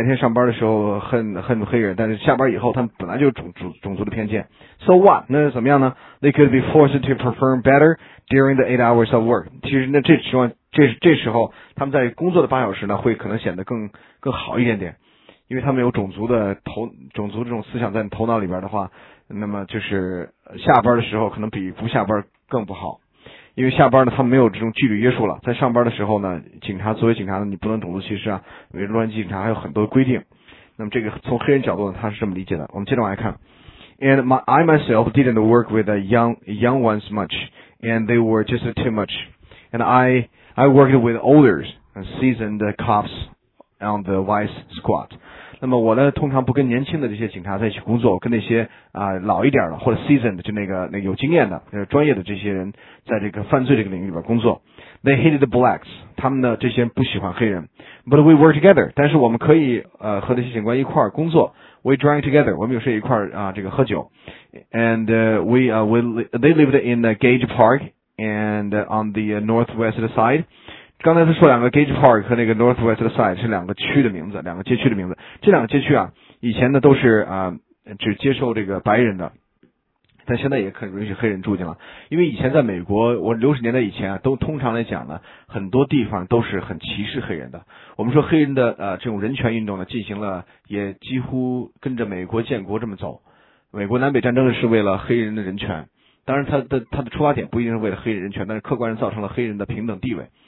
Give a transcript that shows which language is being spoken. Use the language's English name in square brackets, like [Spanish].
[Chinese] 那么就是说他们也许那些白人在白天上班的时候恨黑人, 但是下班以后他们本来就种族的偏见。 [English] So what? [Chinese] 那怎么样呢? [English] They could be forced to perform better during the 8 hours of work. [Chinese] 其实那这时候他们在工作的8小时呢会可能显得更好一点点。因为他们有种族的头种族这种思想在头脑里边的话, 那么就是下班的时候可能比不下班更不好。因为下班呢他们没有这种纪律约束了, 在上班的时候呢, 警察作为警察呢, 你不能种族歧视啊, 洛杉矶警察还有很多规定。那么这个从黑人角度呢, 他是这么理解的。我们接着往下看。 [English] And I myself didn't work with the young ones much, and they were just too much. And I worked with older seasoned cops on the vice squad. [Chinese] 那么我呢通常不跟年轻的这些警察在一起工作, 跟那些老一点的, 或者 seasoned, 就那个有经验的, 专业的这些人在这个犯罪这个领域里边工作。 [English] They hated the blacks, [Chinese] 他们呢这些人不喜欢黑人。 [English] But we work together, [Chinese] 但是我们可以和那些警官一块工作。 [English] We drank together, [Chinese] 我们有时候一块这个喝酒。 [English] And they lived in the Gage Park and on the northwest side. [Chinese] 刚才他说两个 Gage Park 和那个 Northwest Side 是两个街区的名字，这两个街区啊，以前呢都是只接受这个白人的，但现在也可允许黑人住进了，因为以前在美国，我60年代以前啊，都通常来讲呢，很多地方都是很歧视黑人的。我们说黑人的这种人权运动呢，进行了也几乎跟着美国建国这么走，美国南北战争呢是为了黑人的人权，当然他的出发点不一定是为了黑人人权，但是客观上造成了黑人的平等地位。